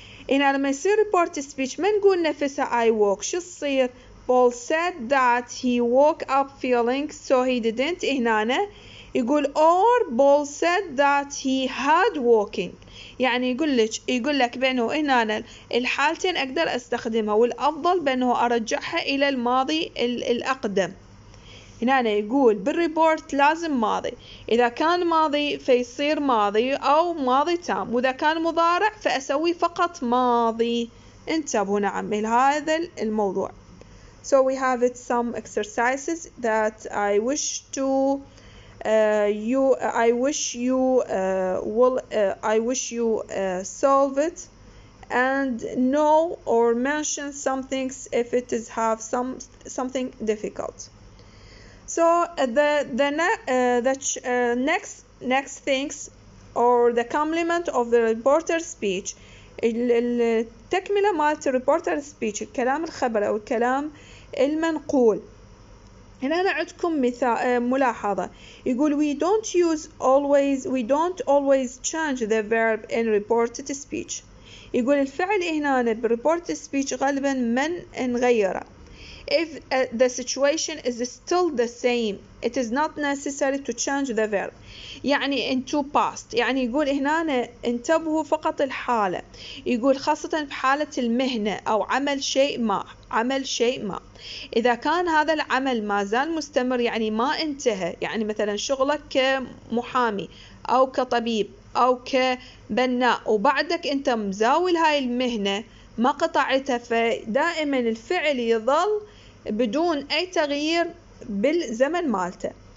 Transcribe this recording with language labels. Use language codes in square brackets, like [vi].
[ar] هنا لما يصير report speech ما نقول نفسها [en] I woke, [ar] شو تصير؟ [en] Paul said that he woke up feeling so he didn't, [ar] هنا يقول [en] or Paul said that he had walking, [ar] يعني يقول لك بينه هنا الحالتين أقدر أستخدمها, والأفضل بأنه أرجعها إلى الماضي الأقدم. هنا يقول بالريبورت لازم ماضي, إذا كان ماضي فيصير ماضي أو ماضي تام, وإذا كان مضارع فأسوي فقط ماضي. انتبهوا نعم لهذا الموضوع. [en] So we have it some exercises that I wish to solve it and know or mention some things if it is have something difficult. So the next things or the complement of the reporter speech, [ar] التكملة مال [en] reporter speech, [ar] الكلام الخبر أو الكلام المنقول. هنا عندكم مثال ملاحظة, يقول [en] we don't always change the verb in reported speech, [ar] يقول الفعل هنا بالreported speech غالبا ما نغيره. [en] If the situation is still the same, it is not necessary to change the verb. [ar] يعني [en] into past. [ar] يعني يقول هنا انتبهوا فقط الحالة. يقول خاصة بحالة المهنة أو عمل شيء ما. عمل شيء ما. إذا كان هذا العمل ما زال مستمر يعني ما انتهى. يعني مثلا شغلك كمحامي أو كطبيب أو كبناء وبعدك أنت مزاول هاي المهنة ما قطعتها فدائما الفعل يظل بدون أي تغيير بالزمن مالته.